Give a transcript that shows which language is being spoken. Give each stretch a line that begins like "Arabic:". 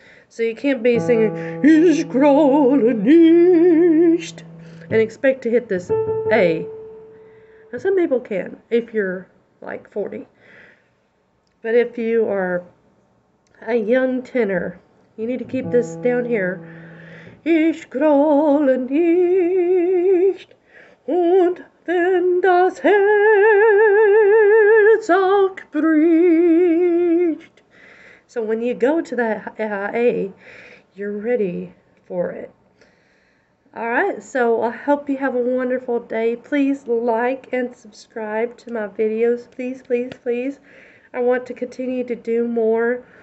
English: So you can't be singing,
German: "Ich grolle nicht,"
English: and expect to hit this A. Now, some people can, if you're like 40. But if you are a young tenor, you need to keep this down here.
German: Ich grolle nicht, und wenn das Herz auch bricht.
English: So when you go to that A, you're ready for it. Alright, so I hope you have a wonderful day. Please like and subscribe to my videos. Please, please, please. I want to continue to do more.